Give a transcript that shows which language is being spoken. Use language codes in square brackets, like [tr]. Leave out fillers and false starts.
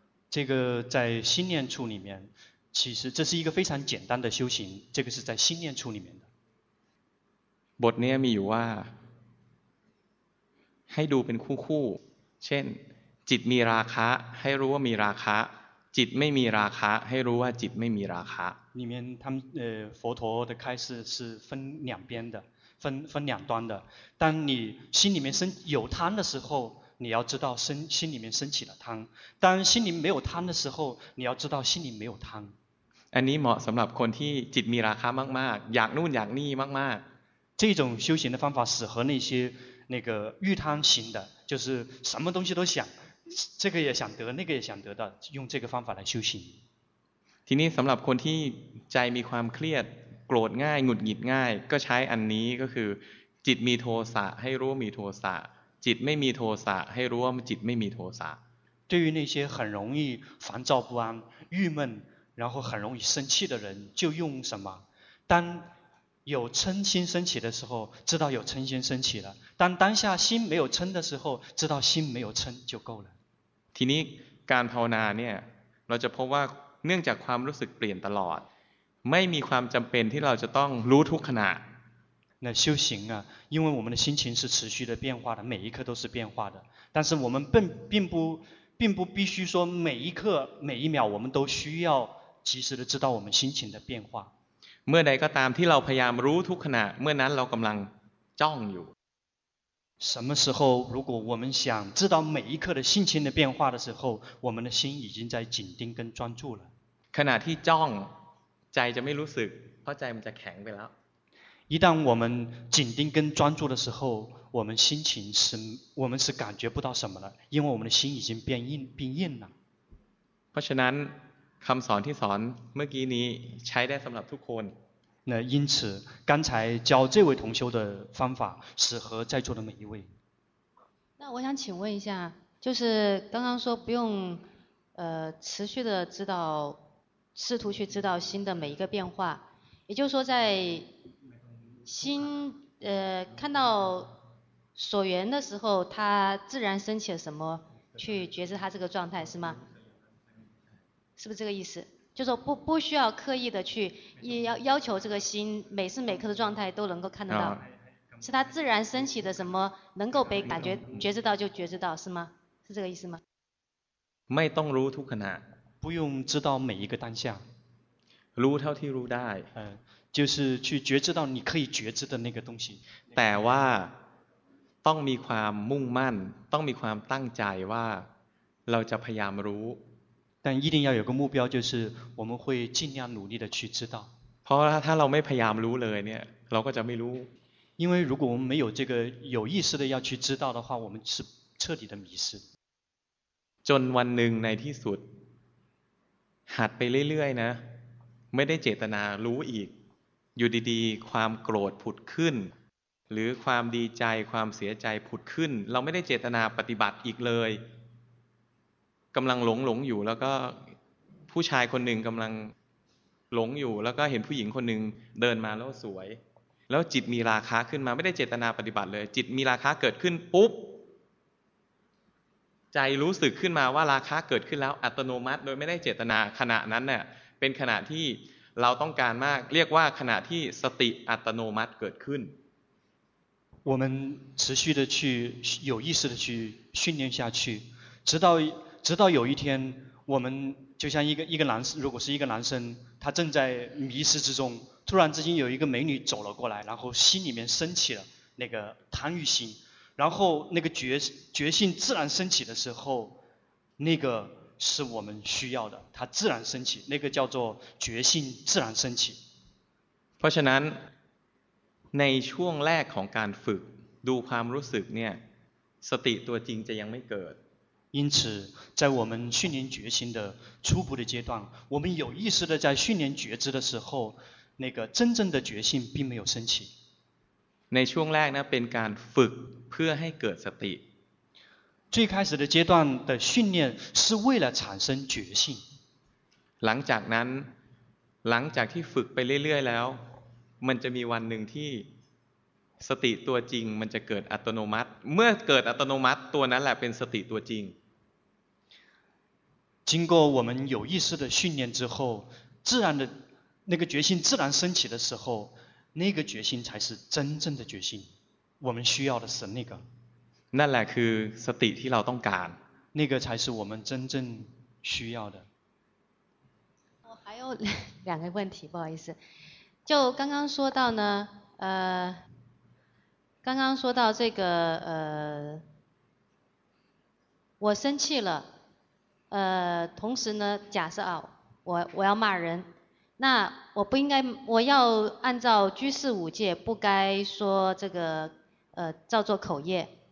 [zh] 这个在心念处里面其实这是一个非常简单的修行这个是在心念处里面的 [th] บทนี้มีอยู่ว่าให้ดูเป็นคู่ๆเช่นจิตมีราคะให้รู้ว่ามีราคะจิตไม่มีราคะให้รู้ว่าจิตไม่มีราคะ [zh] 里面他们佛陀的开示是分两边的分两端的当你心里面生有贪的时候你要知道心里面升起了贪当心里没有贪的时候你要知道心里没有贪 [th] อันนี้เหมาะสำหรับคนที่จิตมีราคะมากๆอยากนู่นอยากนี่มาก [zh] ๆ这种修行的方法适合那些那个欲贪型的就是什么东西都想这个也想得那个也想得的用这个方法来修行 [th] ทีนี้สำหรับคนที่ใจมีความเครียดโกรธง่ายหงุดหงิดง่ายก็ใช้อันนี้ก็คือจิตมีโทสะให้รู้มีโทสะจิตไม่มีโทสะให้รู้ว่าจิตไม่มีโทสะ [zh] 对于那些很容易烦躁不安郁闷然后很容易生气的人就用什么当有嗔心升起的时候知道有嗔心升起了当当下心没有嗔的时候知道心没有嗔就够了 [th] ทีนี้การภาวนาเนี่ยเราจะพบว่าเนื่องจากความรู้สึกเปลี่ยนตลอดไม่มีความจำเป็นที่เราจะต้องรู้ทุกขณะ [zh] 那修行啊因为我们的心情是持续的变化的每一刻都是变化的但是我们并不必须说每一刻每一秒我们都需要及时的知道我们心情的变化 [th] เมื่อใดก็ตามที่เราพยายามรู้ทุกขณะเมื่อนั้นเรากำลังจ้องอยู่ [zh] 什么时候如果我们想知道每一刻的心情的变化的时候我们的心已经在紧盯跟专注了 [th] ขณะที่จ้องใจจะไม่รู้สึกเพราะใจมันจะแข็งไปแล้ว [zh] 一旦我们紧盯跟专注的时候，我们心情是，我们是感觉不到什么了，因为我们的心已经变硬，变硬了。 [th] เพราะฉะนั้นคำสอนที่สอนเมื่อกี้นี้ใช้ได้สำหรับทุกคน。 [zh] 那因此，刚才教这位同修的方法适合在座的每一位。那我想请问一下，就是刚刚说不用，持续的知道，试图去知道心的每一个变化，也就是说在心看到所缘的时候，它自然升起了什么，去觉知它这个状态是吗？是不是这个意思？就是说不需要刻意的去要求这个心每时每刻的状态都能够看得到，是它自然升起的什么能够被感觉觉知到就觉知到是吗？是这个意思吗？ [th] ไม่ต้องรู้ทุกขณะ， [zh] 不用知道每一个当下。 [th] รู้เท่าที่รู้ได้。 [zh] 就是去觉知到你可以觉知的那个东西。 [th] แต่ว่าต้องมีความมุ่งมั่น，ต้องมีความตั้งใจว่าเราจะพยายามรู้。 [zh] 但一定要有个目标，就是我们会尽量努力的去知道。 [th] เพราะถ้าเราไม่พยายามรู้เลยเนี่ยเราก็จะไม่รู้。 [zh] 因为如果我们没有这个有意识的要去知道的话，我们是彻底的迷失。 [th] จนวันหนึ่งในที่สุดหัดไปเรื่อยๆนะไม่ได้เจตนารู้อีกอยู่ดีๆความโกรธผุดขึ้นหรือความดีใจความเสียใจผุดขึ้นเราไม่ได้เจตนาปฏิบัติอีกเลยกำลังหลงอยู่แล้วก็ผู้ชายคนหนึ่งกำลังหลงอยู่แล้วก็เห็นผู้หญิงคนหนึ่งเดินมาแล้วสวยแล้วจิตมีราคะขึ้นมาไม่ได้เจตนาปฏิบัติเลยจิตมีราคะเกิดขึ้นปุ๊บ ใจรู้สึกขึ้นมาว่าราคะเกิดขึ้นแล้วอัตโนมัติโดยไม่ได้เจตนาขณะนั้นเนี่ยเป็นขณะที่เราต้องการมากเรียกว่าขณะที่สติอัตโนมัติเกิดขึ้น [zh] 我们持续的去有意识的去训练下去直到有一天我们就像一个男生如果是一个男生他正在迷失之中突然之间有一个美女走了过来然后心里面升起了那个贪欲心然后那个觉性自然升起的时候那个是我们需要的它自然升起那个叫做觉性自然升起 [th] เพราะฉะนั้นในช่วงแรกของการฝึกดูความรู้สึกเนี่ยสติตัวจริงจะยังไม่เกิด [zh] 因此在我们训练觉性的初步的阶段我们有意识的在训练觉知的时候那个真正的觉性并没有升起 [th] ในช่วงแรกนะเป็นการฝึกเพื่อให้เกิดสติ [zh] 最开始的阶段的训练是为了产生觉性 [th] หลังจากนั้นหลังจากที่ฝึกไปเรื่อยๆแล้วมันจะมีวันหนึ่งที่สติตัวจริงมันจะเกิดอัตโนมัติเมื่อเกิดอัตโนมัติตัวนั้นแหละเป็นสติตัวจริง [zh] 经过我们有意识的训练之后自然的那个觉性自然升起的时候那个决心才是真正的决心我们需要的是那个 [th] นั่นแหละคือสติที่เราต้องการ [zh] 那个才是我们真正需要的我还有两个问题不好意思就刚刚说到呢刚刚说到这个我生气了同时呢假设啊我要骂人那我不应该，我要按照居士五戒，不该说这个，造作口业。